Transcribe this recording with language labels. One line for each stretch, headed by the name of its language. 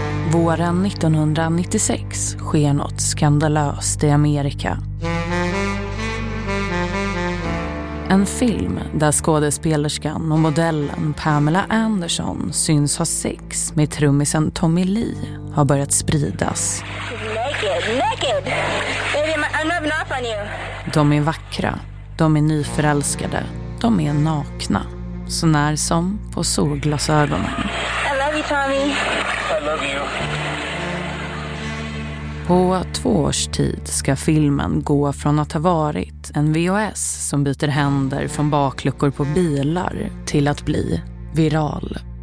Swedish: Våren 1996 sker något skandalöst i Amerika. En film där skådespelerskan och modellen Pamela Anderson syns ha sex med trummisen Tommy Lee har börjat spridas.
English: Naked. Baby, I'm loving off on you.
Swedish: De är vackra, de är nyförälskade, de är nakna, så när som på solglasögonen.
English: I love you, Tommy. I love you.
Swedish: På två års tid ska filmen gå från att ha varit en VHS som byter händer från bakluckor på bilar till att bli viral.